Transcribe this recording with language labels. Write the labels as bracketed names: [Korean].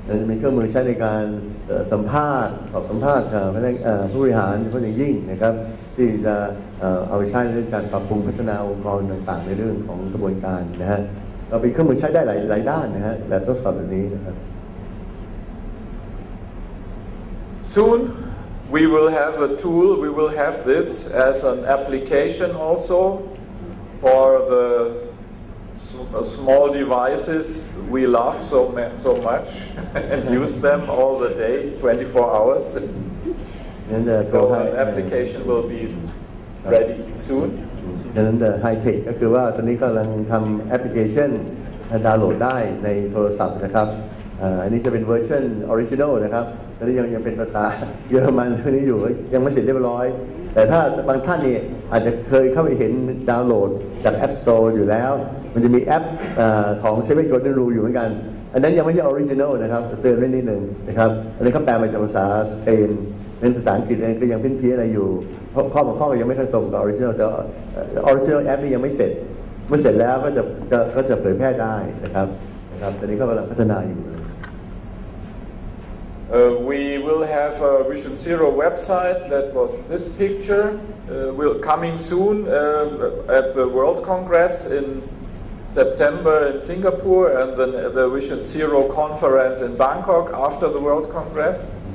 [Thai] มีเครื่องมือใช้ในการสัมภาษณ์สอบสัมภาษณ์ผู้บริหารคนยิ่งนะครับที่จะเอาไปใช้ในเรื่องการปรับปรุงพัฒนาองค์กรต่างๆในเรื่องของกระบวนการนะฮะเราเป็นเครื่องมือใช้ได้หลายด้านนะฮะแบบทดสอบแบบนี้นะครับ [English] Soon We will have a tool, we will have this as an application also for the small devices we love so much and use them all the day, 24 hours. So an application will be ready soon. [Thai] ดังนั้น [English] the high tech [Thai] ก็คือว่าตอนนี้กำลังทำแอปพลิเคชันดาวน์โหลดได้ในโทรศัพท์นะครับอันนี้จะเป็นเวอร์ชันออริจินอลนะครับตอนนี้ยังเป็นภาษาเยอรมันตอนนี้อยู่ยังไม่เสร็จเรียบร้อยแต่ถ้าบางท่านนี่อาจจะเคยเข้าไปเห็นดาวน์โหลดจากแอปสโตร์อยู่แล้วมันจะมีแอป ของ Seven Golden Rule อยู่เหมือนกันอันนั้นยังไม่ใช่ออริจินอลนะครับเตือนไว้นิดนึงนะครับอันนี้เขาแปลมาจากภาษาสเปนเป็นภาษาอังกฤษเองก็ยังเพี้ยนๆอะไรอยู่ข้อบางข้อยังไม่ค่อยตรงกับออริจินอลแต่ออริจินอลแอปนี่ยังไม่เสร็จเมื่อเสร็จแล้วก็จะเผยแพร่ได้นะครับตอนนี้ก็กำลังพัฒนาอยู่ [English] We will have a Vision Zero website that was this picture will coming soon at the World Congress in September in Singapore and then the Vision Zero conference in Bangkok after the World Congress.